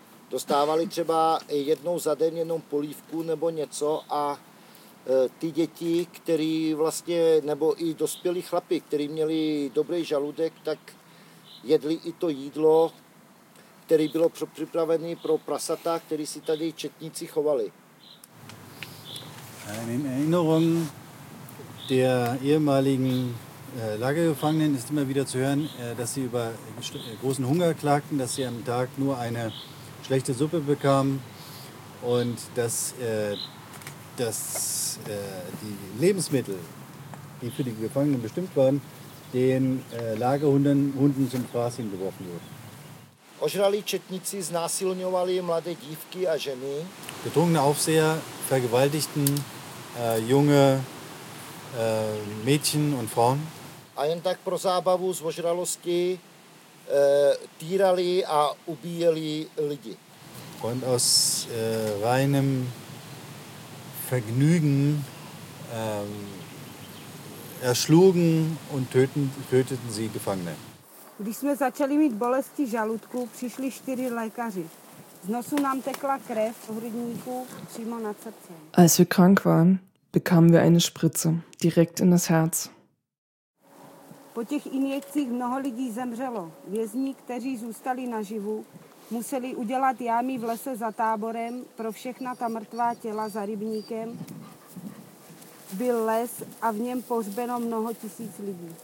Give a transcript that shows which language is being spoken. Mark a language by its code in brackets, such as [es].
[cs] Dostávali třeba jednou za den jenom polívku nebo něco a ty děti, který vlastně, nebo i dospělí chlapi, který měli dobrý žaludek, tak jedli i to jídlo, které bylo připravené pro prasata, které si tady četníci chovali. [de] In Erinnerung der ehemaligen Lagergefangenen ist immer wieder zu hören, dass sie über großen Hunger klagten, dass sie am Tag nur eine schlechte Suppe bekamen und dass die Lebensmittel, die für die Gefangenen bestimmt waren, den Lagerhunden zum Fraß hingeworfen wurden. [cs] Ožralí četníci znásilňovali mladé dívky a ženy. [de] Betrunkene Aufseher vergewaltigten junge Mädchen und Frauen. [cs] A jen tak pro zábavu z ožralosti týrali a ubíjeli lidi. [de] Und aus reinem Vergnügen erschlugen und töteten sie Gefangene. [cs] Když jsme začali mít bolesti žaludku, přišli 4 lékaři. Z nosu nám tekla krev v hrudníku přímo nad srdcem. [de] Als wir krank waren, bekamen wir eine Spritze direkt in das Herz. [cs] Po těch injekcích mnoho lidí zemřelo. Vězni, kteří zůstali naživu, museli udělat jámy v lese za táborem pro všechna ta mrtvá těla za rybníkem. Byl les a v něm pohřbeno mnoho tisíc lidí.